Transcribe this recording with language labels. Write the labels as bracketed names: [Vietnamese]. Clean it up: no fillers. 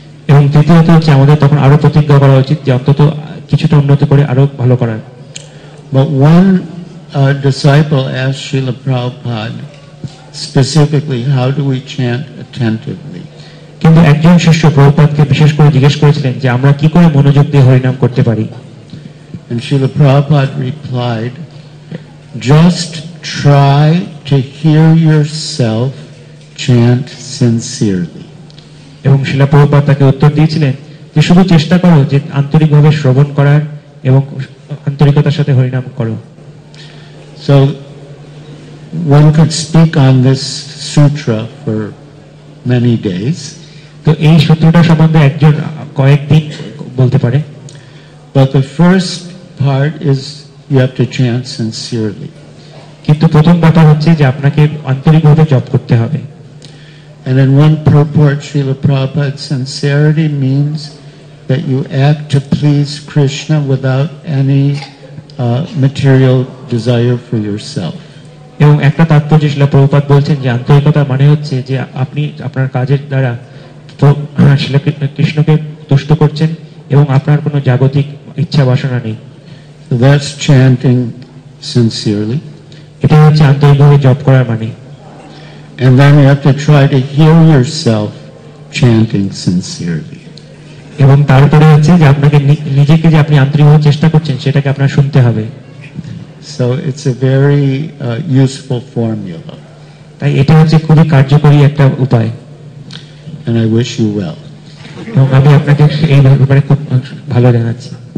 [Bangla] এবং তৃতীয়ত হচ্ছে আমাদের তখন আরো প্রতিজ্ঞা করা উচিত যে অন্তত কিছুটা উন্নতি করে আরো ভালো করার। [English] But one disciple asked Srila Prabhupada specifically, how do we chant attentively? [Bangla] কিন্তু একজন শিষ্য প্রভুপাদকে বিশেষ করে জিজ্ঞেস করেছিলেন যে আমরা কি করে মনোযোগ দিয়ে হরিনাম করতে পারি। [English] And Srila Prabhupada replied, just try to hear yourself chant sincerely. [Bangla] এবং Srila Prabhupada তাকে উত্তর দিয়েছিলেন যে শুধু চেষ্টা করো যে আন্তরিকভাবে শ্রবণ করার এবং আন্তরিকতার সাথে হরিনাম করো। [English] So one could speak on this sutra for many days. [Bangla] তো এই সূত্রটা সম্বন্ধে একজন কয়েক দিন বলতে পারে। [English] But the first part is you have to chant sincerely. [Bangla] কিন্তু প্রথম ব্যাপার হচ্ছে যে আপনাকে আন্তরিকভাবে জপ করতে হবে। [English] And in one purport, Srila Prabhupada, sincerity means that you act to please Krishna without any material desire for yourself. [Bangla] এবং একটা তাৎপর্য Srila Prabhupada বলছেন যে আন্তরিকতা মানে হচ্ছে যে আপনি আপনার কাজের দ্বারা তো Srila Krishna কে তুষ্ট করছেন এবং আপনার কোনো জাগতিক ইচ্ছা বাসনা নেই। [English] So that's chanting sincerely. [Bangla] এটা হচ্ছে আন্তরিকভাবে জপ করার মানে। [English] And then you have to try to hear yourself chanting sincerely. [Bangla] এবং তারপরে হচ্ছে যে আপনাকে নিজেকে যে আপনি আন্তরিকভাবে চেষ্টা করছেন সেটাকে আপনার শুনতে হবে। [English] So it's a very useful formula. [Bangla] তাই এটা হচ্ছে খুবই কার্যকরী একটা উপায়। [English] And I wish you well. [Bangla] এবং আমি আপনাকে এই ব্যাপারে খুব ভালো জানাচ্ছি।